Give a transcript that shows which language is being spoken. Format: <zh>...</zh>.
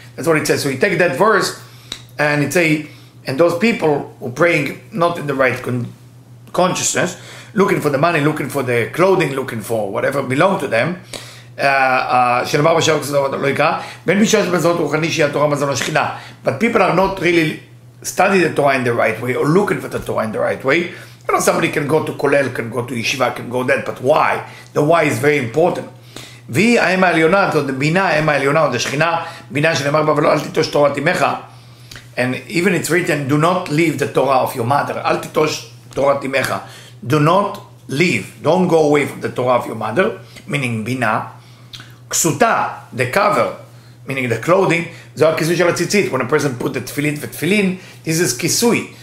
<en>That's what it says. So you take that verse, and it says, and those people who are praying not in the right consciousness, looking for the money, looking for the clothing, looking for whatever belongs to them, but people are not really studying the Torah in the right way, or looking for the Torah in the right way. You know, somebody can go to kolel, can go to yeshiva, can go that, but why? The why is very important.</en> <he>והיא האם העליונה, זאת אומרת, בינה האם העליונה, זאת השכינה, בינה שנאמר בה, אבל אל תיטוש תורת אמך.</he> <en>And even it's written, do not leave the Torah of your mother.</en> <he>אל תיטוש תורת אמך.</he> <en>Do not leave, don't go away from the Torah of your mother, meaning בינה. כסותה, the cover, meaning the clothing,</en> <he>זו הכיסוי של הציצית.</he> <en>When a person put the תפילין ותפילין, this is כיסוי.</en>